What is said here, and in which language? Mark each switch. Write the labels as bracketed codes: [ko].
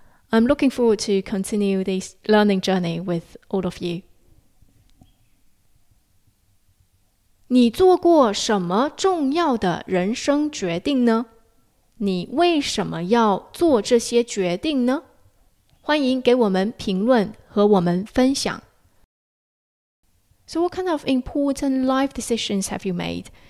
[en] I'm looking forward to continue this learning journey with all of you. [zh] 你做过什么重要的人生决定呢？你为什么要做这些决定呢？欢迎给我们评论和我们分享。 [en] So what kind of important life decisions have you made?